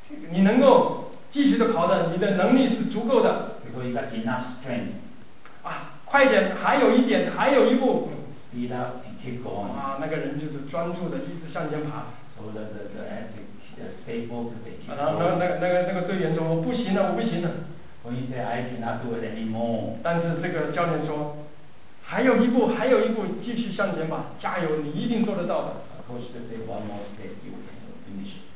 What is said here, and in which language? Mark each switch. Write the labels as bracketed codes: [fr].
[zh] 你能够继续的跑的，你的能力是足够的。 [en] Because you got enough strength. [zh] 啊，快点，还有一点，还有一步。 [en] Speed up and keep going. [zh] 啊，那个人就是专注的，一直向前爬。 [en] So the athlete stay focused. [zh] 然后那个队员说，我不行了，我不行了。 [en] When he said, I cannot do it anymore. [zh] 但是这个教练说，还有一步，还有一步，继续向前吧，加油，你一定做得到的。 [en] Of course, they say one more step, you can finish.